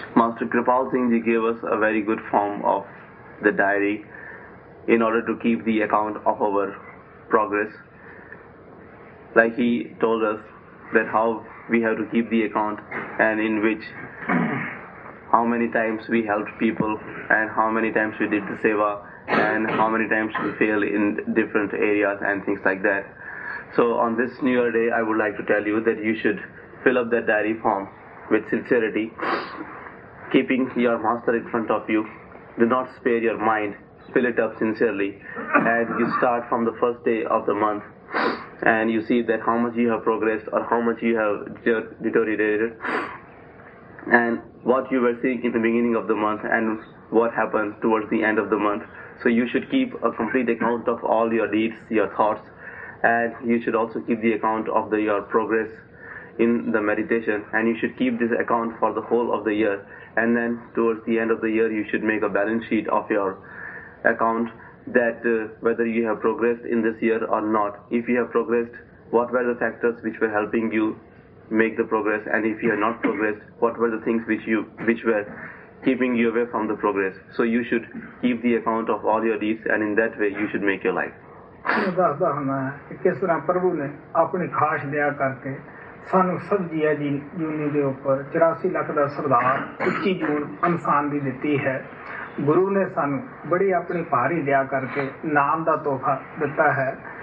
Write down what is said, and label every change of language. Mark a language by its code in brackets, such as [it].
[en] Master Kirpal Singh ji gave us a very good form of the diary in order to keep the account of our progress like he told us that how we have to keep the account and in ਵਿੱਚ how many times we helped people and how many times we did the seva and how many times we fail in different areas and things like that. So on this New Year Day, I would like to tell you that you should fill up that diary form with sincerity, keeping your master in front of you. Do not spare your mind. Fill it up sincerely. And you start from the first day of the month and you see that how much you have progressed or how much you have deteriorated and what you were seeing in the beginning of the month and what happened towards the end of the month. So you should keep a complete account of all your deeds, your thoughts, and you should also keep the account of your progress in the meditation, and you should keep this account for the whole of the year. And then towards the end of the year, you should make a balance sheet of your account that whether you have progressed in this year or not. If you have progressed, what were the factors which were helping you make the progress, and if you have not progressed, what were the things which were keeping you away from the progress. So you should keep the account of all your deeds and in that way you should make your life. [pa] ਦੱਸਦਾ ਹੁੰਦਾ ਕਿਸ ਤਰ੍ਹਾਂ ਪ੍ਰਭੂ ਨੇ ਆਪਣੀ ਖਾਸ ਦਿਆ ਕਰਕੇ ਸਾਨੂੰ ਸਭ ਜੀਵਨੀ ਦੇ ਉੱਪਰ 84 ਲੱਖ ਦਾ ਸਰਦਾਰ 21 ਜੂਨ ਇਨਸਾਨ ਦੀ ਦਿੱਤੀ ਹੈ. ਗੁਰੂ ਨੇ ਸਾਨੂੰ ਬੜੀ ਆਪਣੀ ਭਾਰੀ ਦਿਆ ਕਰਕੇ ਨਾਮ ਦਾ ਤੋਹਫ਼ਾ ਦਿੱਤਾ ਹੈ.